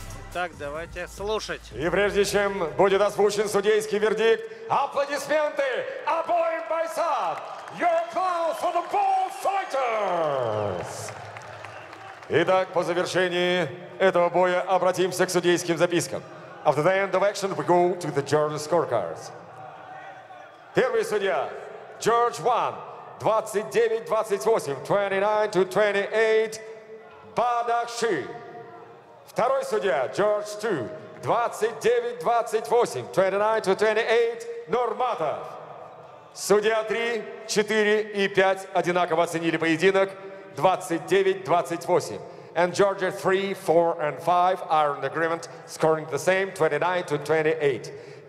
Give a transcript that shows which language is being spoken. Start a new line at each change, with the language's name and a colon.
Russian: Итак, давайте слушать. И прежде чем будет озвучен судейский вердикт, аплодисменты обоим бойцам!
English: Your applause for the both fighters!
Russian: Итак, по завершении этого боя обратимся к судейским запискам.
English: After the end of action, we go to the judges' scorecards.
Russian: Первый судья, George Wan. 29-28, 29-28, Бадахши. Второй судья, Джордж Ту, 29-28, 29-28, Нурматов. Судья 3, 4 и 5 одинаково оценили поединок, 29-28.
English: And Georgia 3, 4 and 5 are in agreement, scoring the same, 29-28.